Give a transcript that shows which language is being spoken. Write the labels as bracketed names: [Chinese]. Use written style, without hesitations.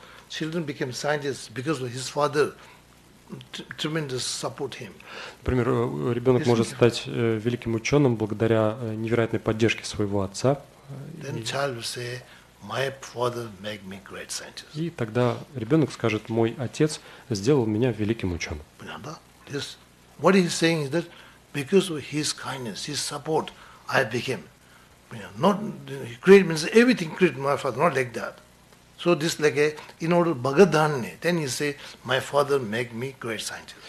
[English] Children became scientists because of his father tremendous support him. [Russian] Например, ребенок может стать великим ученым благодаря невероятной поддержке своего отца. [English] Then child will say, "My father made me great scientist." [Russian] И тогда ребенок скажет: "Мой отец сделал меня великим ученым." Понятно? [English] This what he's saying is that. Because of his kindness, his support, I became. Not he created means everything created my father, not like that. So this like a in order bhagadhanne, then you say my father made me great scientist.